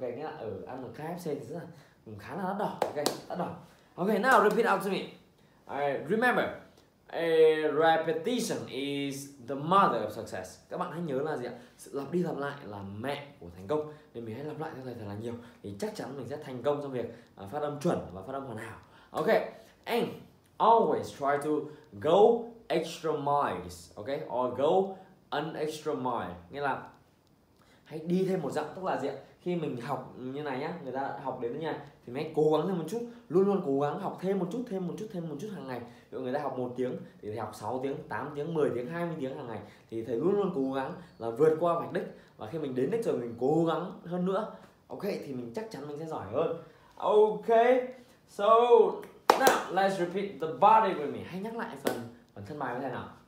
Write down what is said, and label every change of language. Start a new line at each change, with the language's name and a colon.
Vietnamese: Nghĩa là ở ăn ở KFC thì rất là cũng khá là đắt đỏ, ok. Đắt đỏ,
English: ok. Now repeat after me. Alright, remember, repetition is the mother of success.
Vietnamese: Các bạn hãy nhớ là gì ạ? Sự lặp đi lặp lại là mẹ của thành công. Nên mình hãy lặp lại cho thầy thật là nhiều thì chắc chắn mình sẽ thành công trong việc phát âm chuẩn và phát âm hoàn hảo.
English: Ok, and always try to go extra miles, ok, or go an extra mile.
Vietnamese: Nghĩa là hãy đi thêm một dặm, tức là gì ạ? Khi mình học như này nhá, người ta học đến nhà thì mình hãy cố gắng thêm một chút, luôn luôn cố gắng học thêm một chút, thêm một chút, thêm một chút hàng ngày. Ví dụ người ta học 1 tiếng thì học 6 tiếng, 8 tiếng, 10 tiếng, 20 tiếng hàng ngày thì thầy luôn luôn cố gắng là vượt qua vạch đích, và khi mình đến đích rồi mình cố gắng hơn nữa. Ok, thì mình chắc chắn mình sẽ giỏi hơn.
English: Ok. So, now let's repeat the body with me.
Vietnamese: Hãy nhắc lại phần thân bài với thầy nào.